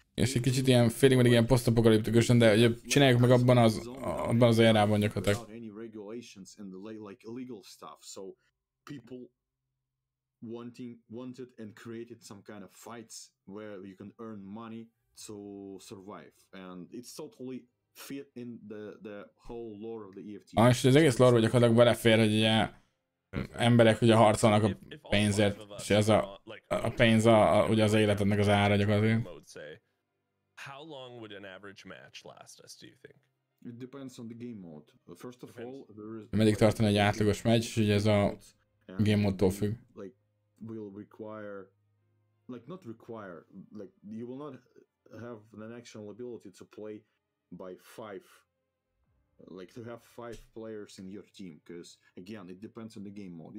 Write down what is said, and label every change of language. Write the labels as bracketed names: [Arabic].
[Hungarian] És egy kicsit ilyen post-apocalyptikus, de ugye csináljuk meg abban az érában gyakorlatilag. [English] Regulations and the like illegal stuff, so people wanted and created some kind of fights where you can earn money to survive, and it's totally fit in the whole lore of the EFT. [Hungarian] És az egész lore, hogy gyakorlatilag belefér, hogy ugye emberek ugye harcolnak a pénzért, és ez a pénz ugye az életednek az ára gyakorlatilag. [English] How long would an average match last us, do you think? It depends on the game mode. First of all, there is. [Hungarian] Meddig tartan egy átlagos meccs, és ugye ez a game módtól függ. [English] Like, will require, like not require, like you will not have an actual ability to play by five, like to have five players in your team, because again, it depends on the game mode.